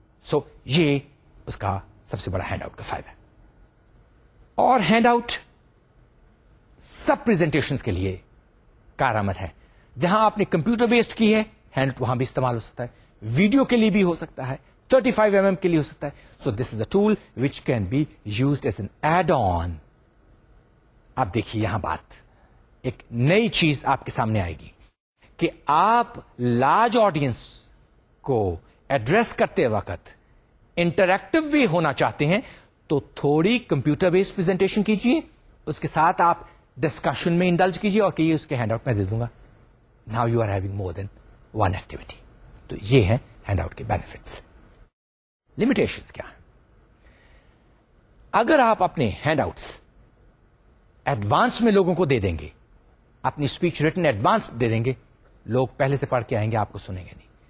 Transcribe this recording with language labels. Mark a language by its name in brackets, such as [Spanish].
[Urdu] سو یہ اس کا سب سے بڑا ہینڈ آؤٹ کا فائدہ. اور ہینڈ آؤٹ سب پریزنٹیشن کے لیے کارآمد ہے. جہاں آپ نے کمپیوٹر بیسڈ کی ہے, ہینڈ آؤٹ وہاں بھی استعمال ہو سکتا ہے. ویڈیو کے لیے بھی ہو سکتا ہے, 35 mm کے لیے ہو سکتا ہے. [English] So this is a tool which can be used as an add on. [Urdu] اب دیکھیے یہاں بات, ایک نئی چیز آپ کے سامنے آئے گی کہ آپ لارج آڈینس کو ایڈریس کرتے وقت انٹریکٹو بھی ہونا چاہتے ہیں تو تھوڑی کمپیوٹر بیسڈ پریزنٹیشن کیجیے, اس کے ساتھ آپ ڈسکشن میں انڈلج کیجیے اور کہیے اس کے ہینڈ آؤٹ میں دے دوں گا. [English] Now you are having more than one activity. [Urdu] تو یہ ہے ہینڈ آؤٹ کے بینیفٹس. لمیٹیشنس کیا ہیں؟ اگر آپ اپنے ہینڈ آؤٹس ایڈوانس میں لوگوں کو دے دیں گے, اپنی اسپیچ ریٹن ایڈوانس دے دیں گے, لوگ پہلے سے پڑھ کے آئیں گے, آپ کو سنیں گے نہیں.